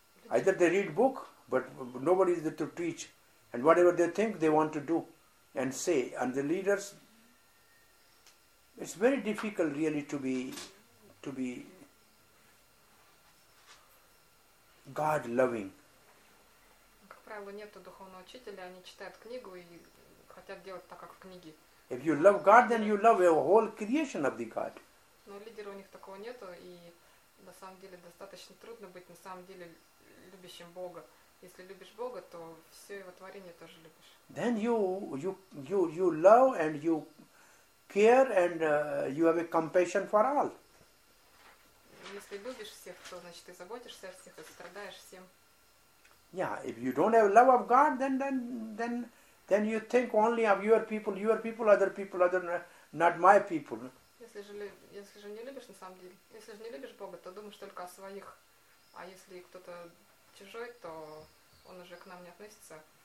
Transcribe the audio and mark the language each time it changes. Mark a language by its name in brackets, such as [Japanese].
[English] Either they read book, but nobody is there to teach. And whatever they think, they want to do and say. And the leaders, it's very difficult really to be God-loving. [Russian] Как правило, нету духовного учителя, они читают книгу и хотят делать так, как в книге. [English] If you love God, then you love your whole creation of the God. [Russian] Но лидера у них такого нету, и на самом деле достаточно трудно быть на самом деле любящим Бога. Если любишь Бога, то все его творение тоже любишь. [English] Then you love and you care and you have a compassion for all. [Russian] Если любишь всех, то значит ты заботишься о всех и страдаешь всем. [English] Yeah, if you don't have love of God, then you think only of your people, other, not my people. [Russian] Если же не любишь на самом деле, если же не любишь Бога, то думаешь только о своих. А если кто-то чужой, то он уже к нам не относится.